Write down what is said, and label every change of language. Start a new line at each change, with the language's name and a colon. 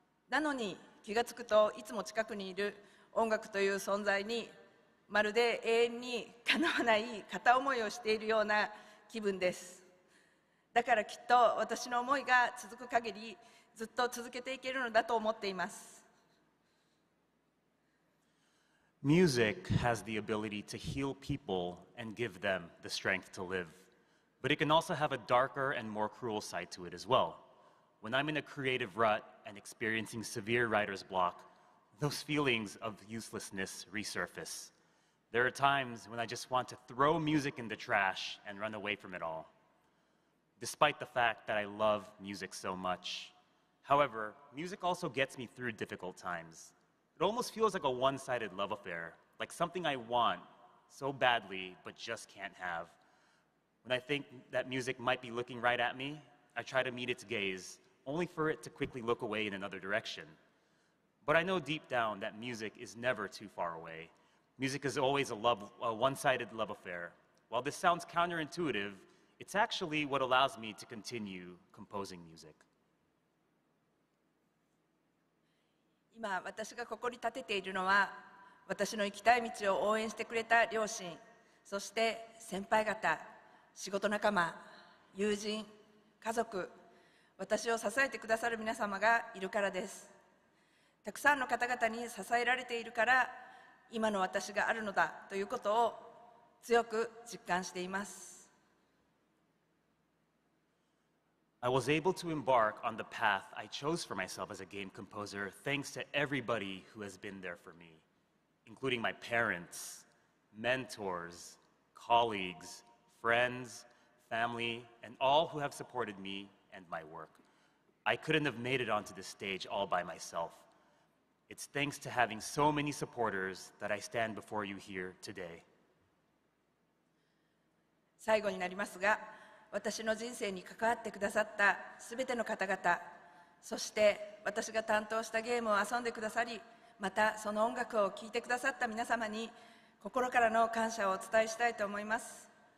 Japanese: なのに気がつくといつも近くにいる音楽という存在にまるで永遠にかなわない片思いをしているような気分です。だからきっと私の思いが続く限りずっと続けていけるのだと思っています。
English: Music has the ability to heal people and give them the strength to live. But it can also have a darker and more cruel side to it as well. When I'm in a creative rut and experiencing severe writer's block, those feelings of uselessness resurface. There are times when I just want to throw music in the trash and run away from it all. Despite the fact that I love music so much. However, music also gets me through difficult times. It almost feels like a one-sided love affair, like something I want so badly but just can't have. When I think that music might be looking right at me, I try to meet its gaze, only for it to quickly look away in another direction. But I know deep down that music is never too far away. Music is always a one-sided love affair. While this sounds counterintuitive, it's actually what allows me to continue composing music.
Japanese: 今私がここに立てているのは、私の行きたい道を応援してくれた両親、そして先輩方、仕事仲間、友人、家族、私を支えてくださる皆様がいるからです。たくさんの方々に支えられているから、今の私があるのだということを強く実感しています。
English: I was able to embark on the path I chose for myself as a game composer thanks to everybody who has been there for me, including my parents, mentors, colleagues, friends, family, and all who have supported me and my work. I couldn't have made it onto this stage all by myself. It's thanks to having so many supporters that I stand before you here today.
Japanese: 最後になりますが、私の人生に関わってくださったすべての方々、そして私が担当したゲームを遊んでくださり、またその音楽を聴いてくださった皆様に心からの感謝をお伝えしたいと思います。